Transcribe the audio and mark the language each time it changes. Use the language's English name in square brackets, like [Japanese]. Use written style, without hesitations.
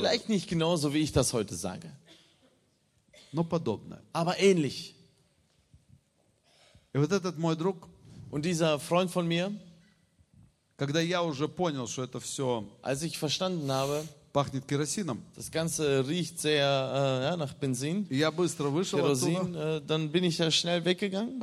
[German] Vielleicht nicht genauso, wie ich das heute sage. [Russian] Но подобное. [German] Aber ähnlich. [Russian] И вот этот мой друг. [German] Und dieser Freund von mir. [Russian] Когда я уже понял, что это все. [German] Als ich verstanden habe. [Russian] Пахнет керосином. [German] Das Ganze riecht sehr nach Benzin. [Russian] Я быстро вышел [German] Kerosin, [Russian] оттуда. [German] Dann bin ich ja schnell weggegangen.